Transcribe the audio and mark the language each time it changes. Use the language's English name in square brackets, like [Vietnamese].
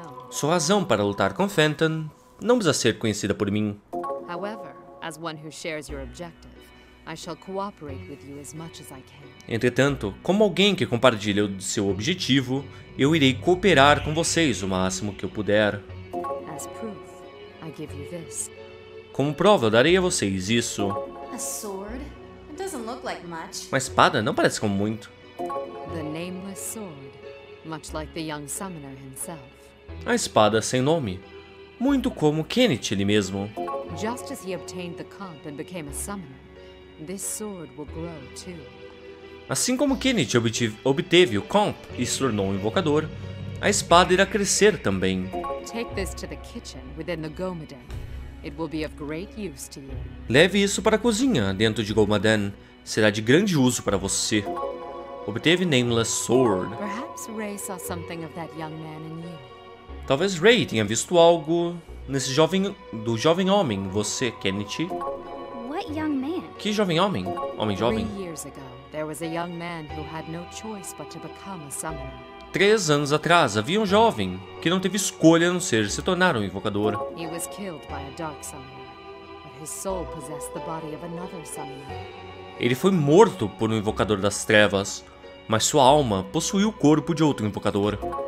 [Portuguese] Sua razão para lutar com Phantom não precisa ser conhecida por mim. [English] As one who shares your objective, I shall cooperate with you as much as I can. [Portuguese] Entretanto, como alguém que compartilha o seu objetivo, eu irei cooperar com vocês o máximo que eu puder. [English] As proof, I give you this. [Portuguese] Como prova, eu darei a vocês isso. [English] A sword? It doesn't look like much. [Portuguese] Uma espada? Não parece como muito. [English] The nameless sword, much like the young summoner himself. [Portuguese] A espada sem nome, muito como Kennet ele mesmo. [English] Just as he obtained the comp and became a summoner, this sword will grow too. [Portuguese] Assim como Kennet obteve o comp e se tornou um invocador, a espada irá crescer também. [English] Take this to the kitchen within the Gomaden. It will be of great use to you. [Portuguese] Leve isso para a cozinha dentro de Gomaden. Será de grande uso para você. Obteve Nameless Sword. [English] Perhaps Ray saw something of that young man in you. [Portuguese] Talvez Ray tenha visto algo nesse jovem do jovem homem, você, Kennedy. [English] What young man? [Portuguese] Que jovem homem? Homem jovem? [English] 3 years ago, there was a young man who had no choice but to become a summoner. [Portuguese] 3 anos atrás, havia um jovem que não teve escolha a não ser se tornar um invocador. [English] He was killed by a dark summoner, but his soul possessed the body of another summoner. [Portuguese] Ele foi morto por um invocador das trevas, mas sua alma possuía o corpo de outro invocador.